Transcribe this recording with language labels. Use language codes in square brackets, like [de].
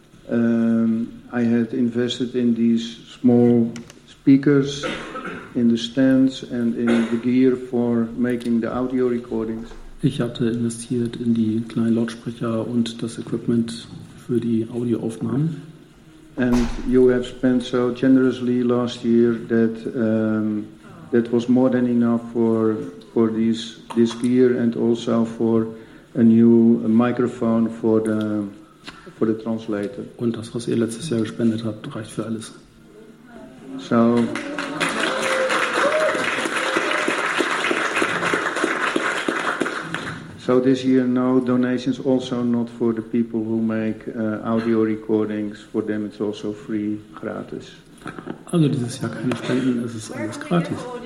[en] I had invested in these small speakers, in the stands and in the gear for making the audio recordings. [de] Ich hatte investiert in die kleinen Lautsprecher und das Equipment für die Audioaufnahmen. [en] And you have spent so generously last year that that was more than enough for this gear and also for a new microphone for the translator. [de] Und das, was ihr letztes Jahr gespendet habt, reicht für alles. [en] So. So this year no donations, also not for the people who make audio recordings. For them it's also free, gratis. [de] Also dieses Jahr keine Spenden, es ist alles gratis.